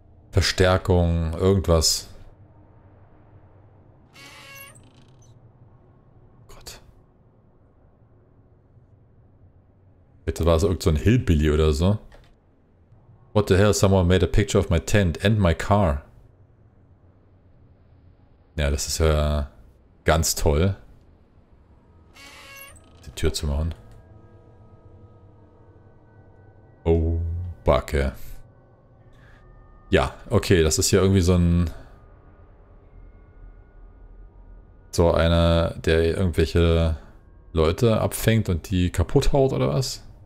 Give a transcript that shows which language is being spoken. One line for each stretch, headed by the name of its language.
German: Verstärkung, irgendwas. Gott. Bitte war es irgend so ein Hillbilly oder so.
English: What the hell, someone made a picture of my tent and my car.
German: Ja, das ist ja ganz toll, die Tür zu machen. Oh, Backe. Ja, okay, das ist hier irgendwie so einer, der irgendwelche Leute abfängt und die kaputt haut oder was?